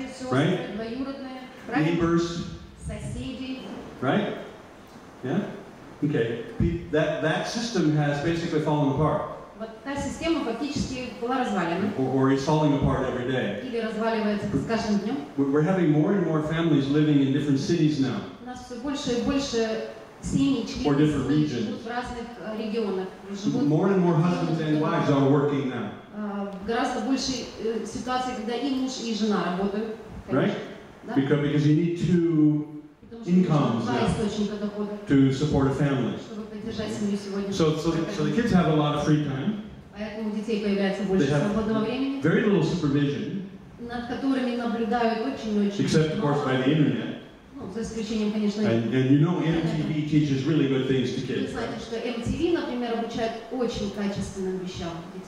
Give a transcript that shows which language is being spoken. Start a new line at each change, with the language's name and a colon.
English: right? Neighbors,
Russian: соседи,
English: right? Yeah? Okay. That system has basically fallen apart.
Russian: Вот та система фактически была развалена.
English: Or is falling apart every day.
Russian: Или разваливается с каждым днем.
English: We're having more and more families living in different cities now.
Russian: У нас все больше и больше семей,
English: or different regions.
Russian: В разных регионах. Живут
English: more and more husbands and wives are working now.
Russian: Гораздо больше ситуации, когда и муж, и жена работают. Конечно.
English: Right?
Russian: Да?
English: Because you need two incomes to support a family. So the kids have a lot of free time. They have very little supervision.
Russian: Над которыми наблюдают очень-очень.
English: Except, of course, by the internet.
Russian: Ну, за исключением, конечно.
English: And you know, MTV teaches really good things to kids.
Russian: Вы знаете, что MTV, например, обучает очень качественным вещам детей.